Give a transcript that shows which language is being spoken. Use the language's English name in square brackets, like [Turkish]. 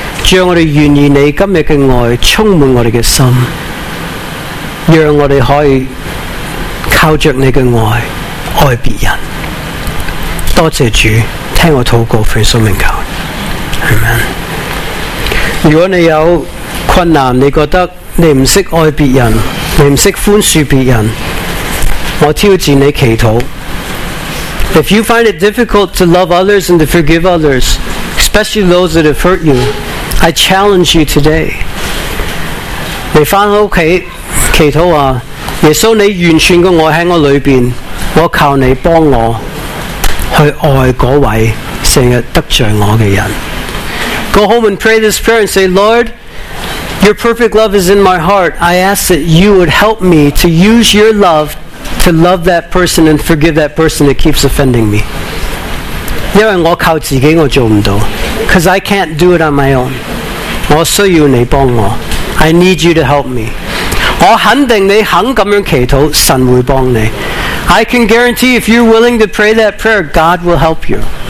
[Chinese] 让我们愿意你今日的爱充满我们的心，让我们可以靠着你的爱爱别人。多谢主，听我祷告，奉主名求， Amen。如果你有困难，你觉得你不懂爱别人，你不懂宽恕别人，我挑战你祈祷。 [English] If you find it difficult to love others and to forgive others, especially those that have hurt you, I challenge you today. [Chinese] 你回到家祈祷啊，耶稣，你完全的爱在我里面，我求你帮我去爱那位经常得罪我的人。 [English] Go home and pray this prayer and say, Lord, your perfect love is in my heart. I ask that you would help me to use your love to love that person and forgive that person that keeps offending me. [Chinese] 因为我靠自己我做不到， [English] because I can't do it on my own. [Chinese] 我需要你帮我， [English] I need you to help me. [Chinese] 我肯定你肯这样祈祷，神会帮你。 [English] I can guarantee if you're willing to pray that prayer, God will help you.